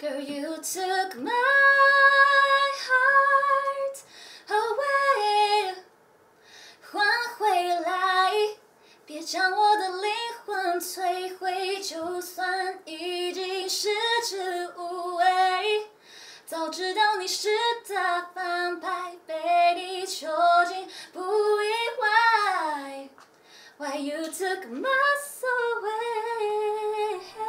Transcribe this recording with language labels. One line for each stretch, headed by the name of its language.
English: Girl, you took my heart away.
Chinese: 换回来。别将我的灵魂摧毁，就算已经食之无味。早知道你是大反派，被你囚禁不意外。
English: Why you took my soul away？